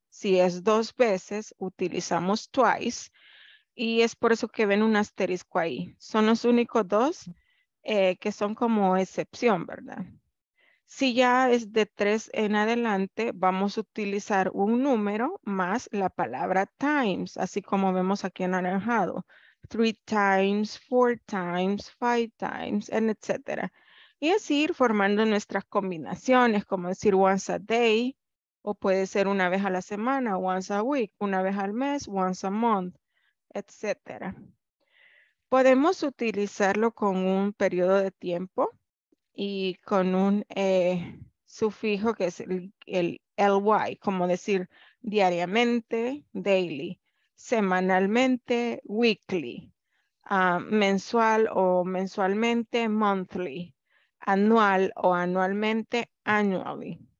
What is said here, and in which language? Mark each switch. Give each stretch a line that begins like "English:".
Spanish: Si es dos veces, utilizamos twice y es por eso que ven un asterisco ahí. Son los únicos dos que son como excepción, ¿verdad? Si ya es de tres en adelante, vamos a utilizar un número más la palabra times, así como vemos aquí anaranjado.
English: Three times, four times, five times, and etc.
Spanish: Y así ir formando nuestras combinaciones, como decir
English: once a day.
Spanish: O puede ser una vez a la semana,
English: once a week,
Spanish: una vez al mes,
English: once a month,
Spanish: etc. Podemos utilizarlo con un periodo de tiempo y con un sufijo que es el ly, como decir diariamente, daily, semanalmente, weekly, mensual o mensualmente, monthly, anual o anualmente, annually.